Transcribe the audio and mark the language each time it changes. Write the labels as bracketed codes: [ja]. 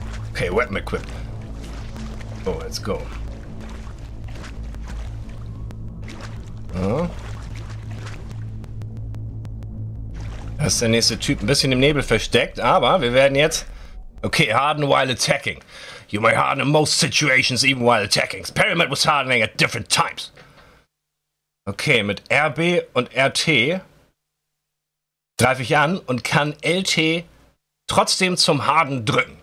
[en] Okay, Weapon equipped. Oh, let's go. [de] Da ist der nächste Typ ein bisschen im Nebel versteckt, aber wir werden jetzt... [en] Okay, harden while attacking. You may harden in most situations even while attacking. Experiment with hardening at different times. [de] Okay, mit RB und RT greife ich an und kann LT trotzdem zum Harden drücken.